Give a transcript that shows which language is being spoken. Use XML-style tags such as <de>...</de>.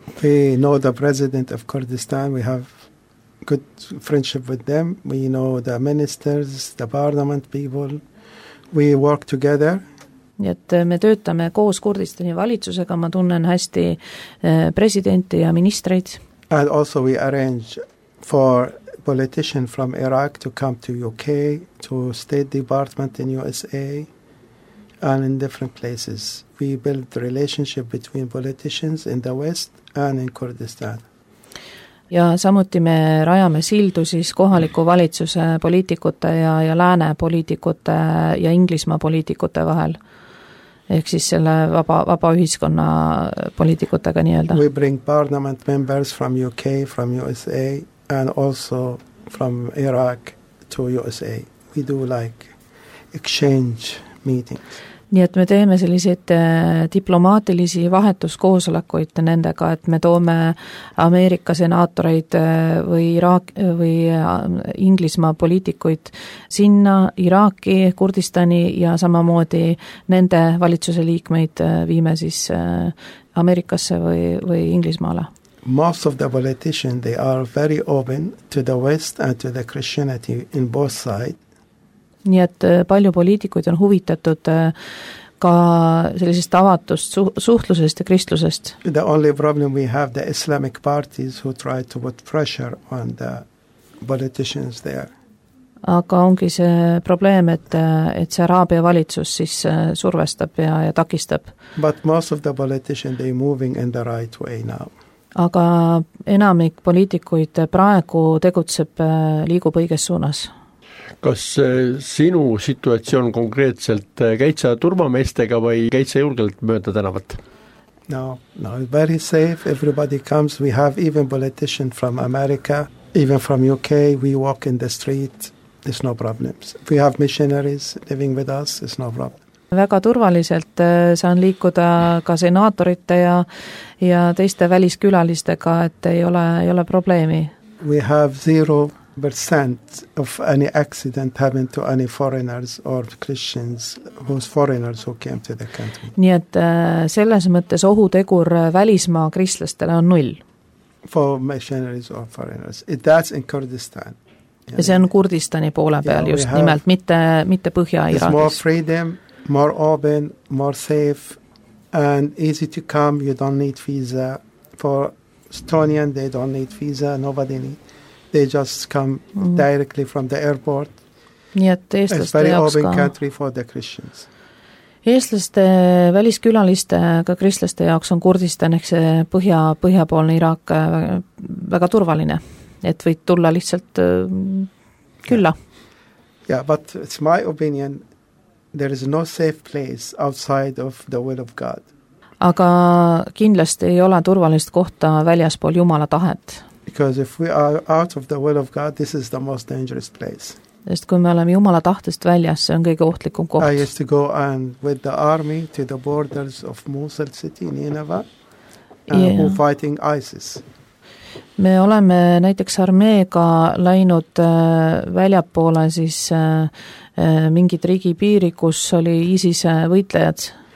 <en>We know the president of Kurdistan, we have good friendship with them, we know the ministers, the parliament people, We work together.</en> <et>Nii et me töötame koos Kurdistani valitsusega, ma tunnen hästi presidenti ja ministreid.</et> <en>And also we arrange for politician from Iraq to come to UK, to State Department in USA and in different places. We build relationship between politicians in the West and in Kurdistan.</en> <et>Ja samuti me rajame sildu siis kohaliku valitsuse poliitikute ja lääne poliitikute ja Inglismaa poliitikute vahel. Ehk siis selle vaba ühiskonna poliitikutega nii-öelda.</et> <en>We bring parliament members from UK, from USA and also from Iraq to USA. We do like exchange meetings.</en> <et>Nii et me teeme sellised diplomaatilisi vahetuskoosolekuid nendega, et me toome Ameerika senaatoreid või Iraak või Inglismaa poliitikuid sinna, Iraaki, Kurdistani ja samamoodi nende valitsuse liikmeid viime siis Ameerikasse või Inglismaale.</et> <en>Most of the politicians, they are very open to the West and to the Christianity in both sides.</en> <et>Nii et palju poliitikuid on huvitatud ka sellisest avatust suhtlusest ja kristlusest.</et> <en>The only problem we have the Islamic parties who try to put pressure on the politicians there.</en> <et>Aga ongi see probleem, et see Araabia valitsus siis survestab ja takistab.</et> <en>But most of the politicians they moving in the right way now.</en> <et>Aga enamik poliitikuid praegu tegutseb liigub õiges suunas. Kas sinu situatsioon konkreetselt käid sa turvameestega või käid sa julgelt mööda tänavat?</et> <en>No, very safe, everybody comes, we have even politicians from America, even from UK, we walk in the street, there's no problems. We have missionaries living with us, there's no problem.</en> <et>Väga turvaliselt saan liikuda ka senaatorite ja teiste väliskülalistega, et ei ole probleemi.</et> <en>We have 0% of any accident happened to any foreigners or Christians whose foreigners who came to the country.</en> <et>Nii et selles mõttes ohutegur välismaa kristlastele on null.</et> <en>For missionaries or foreigners. That's in Kurdistan.</en> <et>Ja see on Kurdistani poole peal just nimelt, mitte Põhja-Iraagis.</et> <en>There's more freedom, more open, more safe and easy to come. You don't need visa. For Estonian, they don't need visa. Nobody needs. They just come directly from the airport.</en> <et>Nii et eestlaste jaoks ka.</et> <en>It's a very open country for the Christians.</en> <et>Eestlaste väliskülaliste, ka kristlaste jaoks on Kurdistan, ehk see põhjapoolne Iraak väga turvaline, et võid tulla lihtsalt külla.</et> <en>Yeah, but it's my opinion, there is no safe place outside of the will of God.</en> <et>Aga kindlasti ei ole turvalist kohta väljaspool Jumala tahet.</et> <en>Because if we are out of the will of God, this is the most dangerous place.</en> <et>Sest kui me oleme Jumala tahtest väljas, see on kõige ohtlikum koht.</et> <en>I used to go and with the army to the borders of Mosul city in Nineveh, who fighting ISIS.</en> <et>Me oleme näiteks armeega läinud väljapoole siis mingid riigi piiri, kus oli ISIS võitlejad.</et>